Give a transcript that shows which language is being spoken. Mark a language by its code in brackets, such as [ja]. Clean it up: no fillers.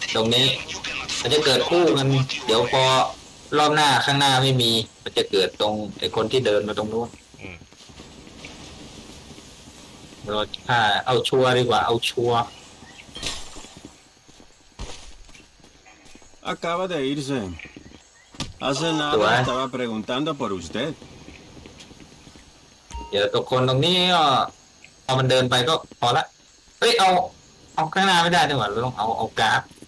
[th] ตรงนี้มันจะเกิดคู่กันเดี๋ยวพอรอบหน้าข้างหน้าไม่มีมันจะเกิดตรงไอ้คนที่เดินมาตรงนู้นเราถ้าเอาชัวร์ดีกว่าเอาชัวร์ [es] acaba de irse hace nada estaba preguntando por usted [th] เดี๋ยวตัวคนตรงนี้พอมันเดินไปก็พอละเฮ้ยเอาข้างหน้าไม่ได้ดีกว่าเราต้องเอาการ์ด